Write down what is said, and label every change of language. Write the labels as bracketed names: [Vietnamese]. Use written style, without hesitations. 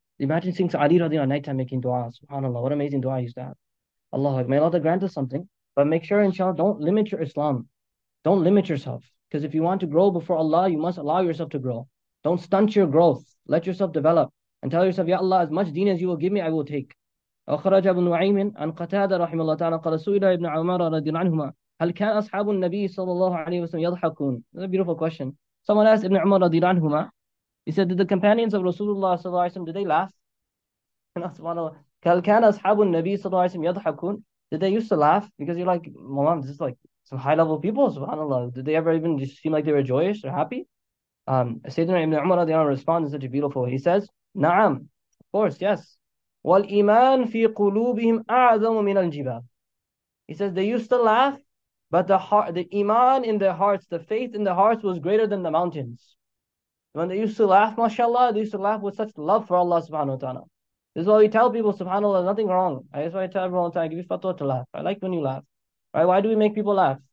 [English] Imagine seeing Ali radiallahu anhu at nighttime making dua. SubhanAllah, what amazing dua he used to have. Allah, may Allah grant us something. But make sure, inshallah, don't limit your Islam. Don't limit yourself. Because if you want to grow before Allah, you must allow yourself to grow. Don't stunt your growth. Let yourself develop. And tell yourself, Ya Allah, as much deen as you will give me, I will take. [Arabic] أخرج ابن نعيم عن قتادة رحمه الله تعالى قال سئل ابن عمر رضي الله عنهما هل كان أصحاب النبي صلى الله عليه وسلم يضحكون. [English] That's a beautiful question. Someone asked ابن عمر رضي الله عنهما, he said, did the companions of Rasulullah صلى الله عليه وسلم, did they laugh? And [Arabic] سبحان الله, هل كان أصحاب النبي صلى الله عليه وسلم يضحكون. [English] Did they used to laugh? Because you're like, Mom, this is like some high level people, سبحان الله. Did they ever even just seem like they were joyous or happy? Sayyidina ibn Umar رضي الله عنه responds in such a beautiful way. He says, نعم, of course, yes. [Arabic] والإيمان في قلوبهم أعظم من الجبال. [English] He says they used to laugh, but the iman in their hearts, the faith in their hearts was greater than the mountains. When they used to laugh, mashallah, they used to laugh with such love for Allah subhanahu wa ta'ala. This is why we tell people, subhanAllah, nothing wrong. I just want to tell everyone all the time, give you fatwa to laugh. I like when you laugh. Right? Why do we make people laugh?